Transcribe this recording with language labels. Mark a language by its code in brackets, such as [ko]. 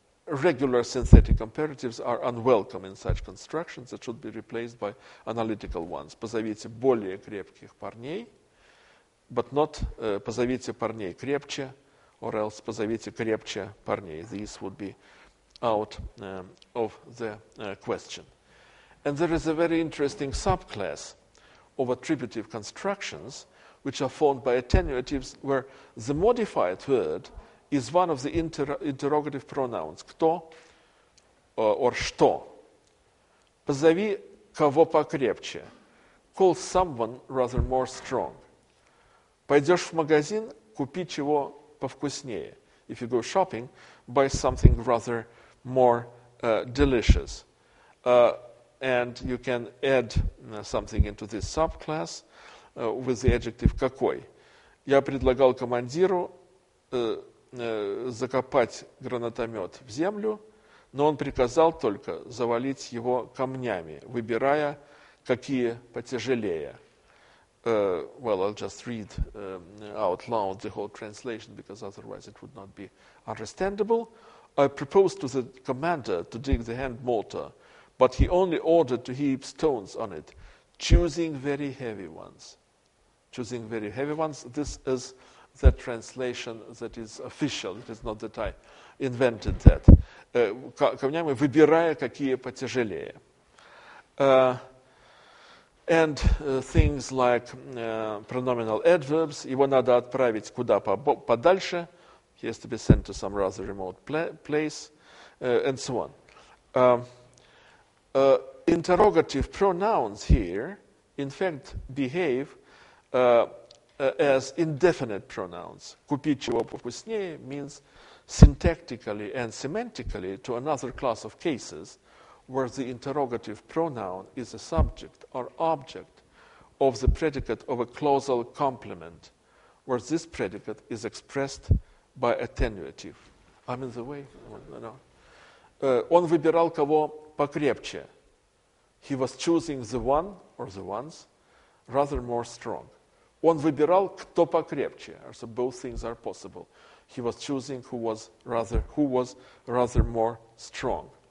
[en] Regular synthetic comparatives are unwelcome in such constructions that should be replaced by analytical ones. [ru] Позовите более крепких парней, [en] but not [ru] позовите парней крепче, [en] or else [ru] позовите крепче парней. [en] These would be out of the question. And there is a very interesting subclass of attributive constructions which are formed by attenuatives where the modified word is one of the interrogative pronouns, кто or что. [ru] Позови кого покрепче. [en] Call someone rather more strong. [ru] Пойдешь в магазин, купи чего повкуснее. [en] If you go shopping, buy something rather more delicious. And you can add something into this subclass with the adjective какой. [ru] Я предлагал командиру закопать гранатомет в землю, но он приказал только завалить его камнями, выбирая, какие потяжелее. [en] Well, I'll just read out loud the whole translation, because otherwise it would not be understandable. I proposed to the commander to dig the hand mortar, but he only ordered to heap stones on it, choosing very heavy ones. Choosing very heavy ones, this is the translation that is official. It is not that I invented that. [ru] Камнями, выбирая, какие потяжелее. [en] And things like pronominal adverbs, [ru] его надо отправить куда подальше, [en] he has to be sent to some rather remote place, and so on. Interrogative pronouns here, in fact, behave as indefinite pronouns. [ru] Купить чего повкуснее [en] means syntactically and semantically to another class of cases where the interrogative pronoun is a subject or object of the predicate of a clausal complement, where this predicate is expressed by attenuative. I'm in the way. No. [ru] Он выбирал кого покрепче. [en] He was choosing the one or the ones rather more strong. [ru] Он выбирал кто покрепче. [en] So both things are possible. He was choosing who was rather more strong.